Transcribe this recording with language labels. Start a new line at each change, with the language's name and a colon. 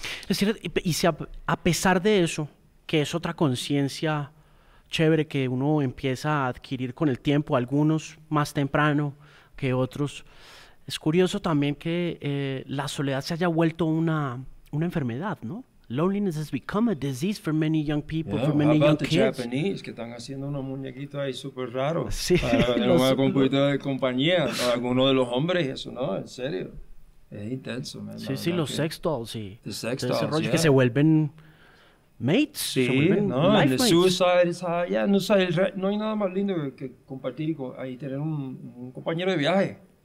Spanish: Es cierto, y si a pesar de eso, que es otra conciencia chévere que uno empieza a adquirir con el tiempo, algunos más temprano que otros, es curioso también que la soledad se haya vuelto una enfermedad, ¿no?
English: Loneliness has become a disease for many young people, yeah, for many young kids.
Spanish: Japanese, que están haciendo unos muñequitos ahí súper raros. Sí. Para una computadora de compañía, para alguno de los hombres, eso no, en serio. Es intenso, man. Sí, sí, los sex dolls, sí.
English: The sex dolls,
Spanish: ese rollo,
English: yeah.
Spanish: Que se vuelven mates. Sí, no, en el suicide, no hay nada más lindo que compartir ahí, tener un compañero de viaje.